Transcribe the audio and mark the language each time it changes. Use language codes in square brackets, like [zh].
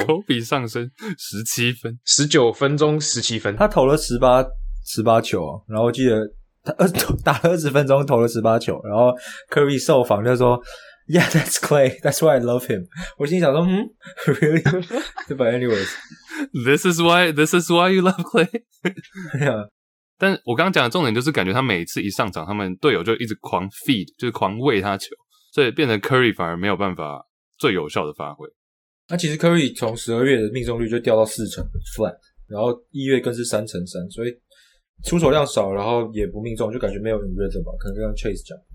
[zh] 科比上升17分。 19分钟17分。他投了18球，然后我记得他打了20分钟投了18球，然后 Curry 受访就说 [en] Yeah, that's Klay, that's why I love him。 [zh] 我心里想说嗯 ,really? [en] But anyways, This is why you love Klay? [zh] 对啊。但我刚刚讲的重点就是感觉他每次一上场，他们队友就一直狂 feed, 就是狂喂他球。所以变成 Curry 反而没有办法最有效的发挥。那其实 Curry 从12月的命中率就掉到40% flat， 然后1月更是33%，所以出手量少，然后也不命中，就感觉没有 rhythm 吧，可能跟 Chase 讲。